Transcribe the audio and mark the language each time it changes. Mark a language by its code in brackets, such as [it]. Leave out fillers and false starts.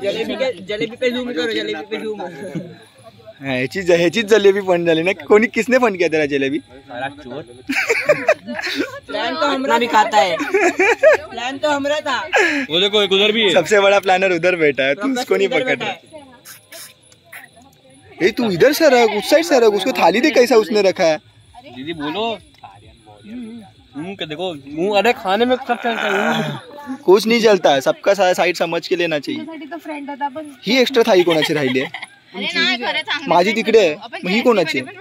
[hi] जलेबी पे जूम करो, जलेबी पे जूम. [mr] ह्याचीच jalebi fund झाली ना, कोणी [hi] किसने फंड किया [mr] त्याला जलेबी? [hi] प्लॅन तो हमरा था, वो देखो एक उधर भी है। सबसे बड़ा प्लानर उधर बैठा है, तू उसको नहीं पकड़ रहा। ए तू इधर से रख, उस साइड से रख, उसको थाली दे कैसा उसने रखा है। दीदी बोलो, देखो मुंह, अरे खाने में सब चलता है, कुछ नहीं चलता है, सबका साइड समझ के लेना चाहिए। [mr] ही एक्स्ट्रा थाली कोणाची राहिली आहे? माझी तिकडे आहे, ही कोणाची?